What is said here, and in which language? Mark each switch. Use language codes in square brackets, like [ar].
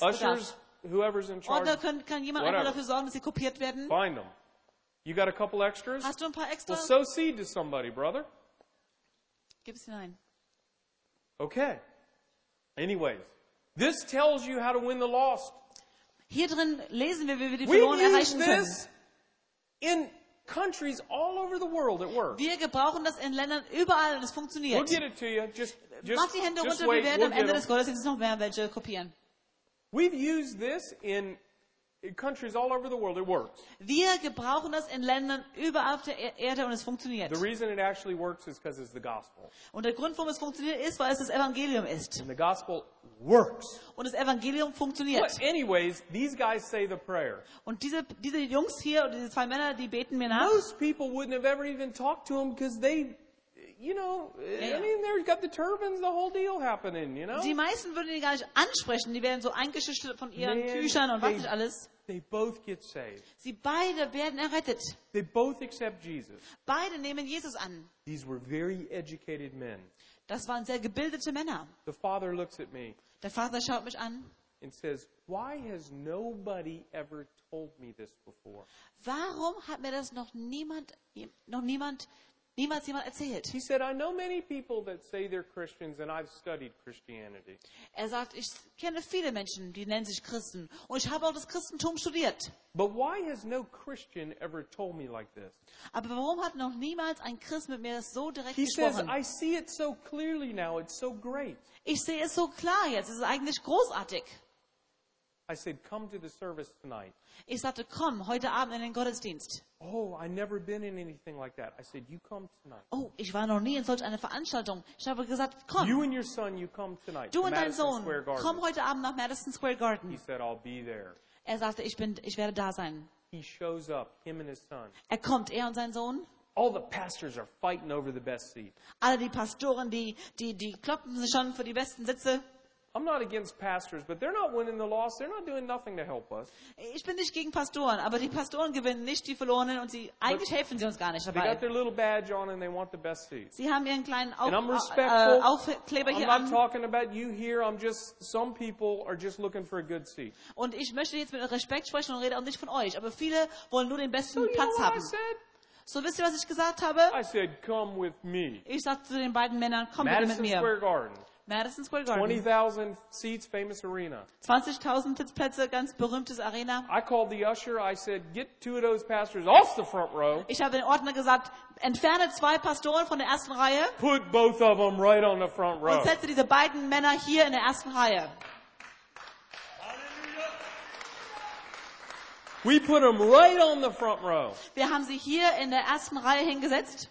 [en] Ushers, whoever's in charge. [de] Oder kann jemand [en] Whatever. [de] Einfach dafür sorgen, dass sie kopiert werden? [en] Find them. You got a couple extras? [de] Hast du ein paar extra? [en] Well, sow seed to somebody, brother. [de] Gib es hinein. [en] Okay. Anyways, this tells you how to win the lost. [de] Hier drin lesen wir, wie wir die Verlorenen erreichen können. [en] We use this in countries all over the world at work. [de] Wir gebrauchen das in Ländern überall und es funktioniert. [en] We'll get it to you. Just [de] mach die Hände [en] just [de] runter, [en] wait. [de] Wir werden [en] we'll [de] am Ende des Gottesdienstes noch mehr welche kopieren. [en] We've used this in countries all over the world. It works. [de] Wir gebrauchen das in Ländern überall auf der Erde und es funktioniert. [en] The reason it actually works is because it's the gospel. [de] Und der Grund, warum es funktioniert, ist, weil es das Evangelium ist. [en] And the gospel works. [de] Und das Evangelium funktioniert. [en] But anyways, these guys say the prayer. [de] Und diese Jungs hier oder diese zwei Männer, die beten mir nach. [en] Most people wouldn't have ever even talked to them because they, you know, yeah. I mean, they've got the turbans, the whole deal happening, you know. [de] Die meisten würden die gar nicht ansprechen. Die werden so eingeschüchtert von ihren Tüchern und was nicht alles. [en] They both get saved. [de] Sie beide werden errettet. [en] They both accept Jesus. [de] Beide nehmen Jesus an. [en] These were very educated men. [de] Das waren sehr gebildete Männer. [en] The father looks at me. [de] Der Vater schaut mich an. [en] And says, "Why has nobody ever told me this before?" [de] Warum hat mir das niemals jemand erzählt? [en] He said, "I know many people that say they're Christians, and I've studied Christianity." [de] Er sagt, ich kenne viele Menschen, die nennen sich Christen, und ich habe auch das Christentum studiert. [en] But why has no Christian ever told me like this? [de] Aber warum hat noch niemals ein Christ mit mir das so direkt [en] He [de] gesprochen? [en] He says, "I see it so clearly now. It's so great." [de] Ich sehe es so klar jetzt. Es ist eigentlich großartig. [en] I said, "Come to the service tonight." [de] Ich sagte, komm heute Abend in den Gottesdienst. [en] Oh, I never been in anything like that. I said, "You come tonight." [de] Oh, ich war noch nie in solch einer Veranstaltung. Ich habe gesagt, komm. [en] You and your son, you come tonight. [de] Du und dein Sohn, komm heute Abend nach Madison Square Garden. [en] He said, "I'll be there." [de] Er sagte, ich werde da sein. [en] He shows up, him and his son. [de] Er kommt, er und sein Sohn. [en] All the pastors are fighting over the best seat. [de] Alle die Pastoren, die kloppen sich schon für die besten Sitze. [en] I'm not against pastors, but they're not winning the lost. They're not doing nothing to help us. [de] Ich bin nicht gegen Pastoren, aber die Pastoren gewinnen nicht die Verlorenen und eigentlich helfen sie uns gar nicht dabei. [en] They got their little badge on and they want the best seat. [de] Sie haben ihren kleinen Aufkleber hier an. [en] I'm not talking about you here. I'm just some people are just looking for a good seat. [de] Und ich möchte jetzt mit Respekt sprechen und rede auch nicht von euch, aber viele wollen nur den besten Platz haben. So wisst ihr, was ich gesagt habe? [en] I said, "Come with me." [de] Ich sagte zu den beiden Männern, komm bitte mit mir. [en] Madison Square Garden. [de] Madison Square Garden. [en] 20,000 seats, famous arena. [de] 20,000 Sitzplätze, ganz berühmtes Arena. [en] I called the usher. I said, "Get two of those pastors off the front row." [de] Ich habe den Ordner gesagt, entferne zwei Pastoren von der ersten Reihe. [en] Put both of them right on the front row. [de] Und setze diese beiden Männer hier in der ersten Reihe. [en] We put them right on the front row. [de] Wir haben sie hier in der ersten Reihe hingesetzt.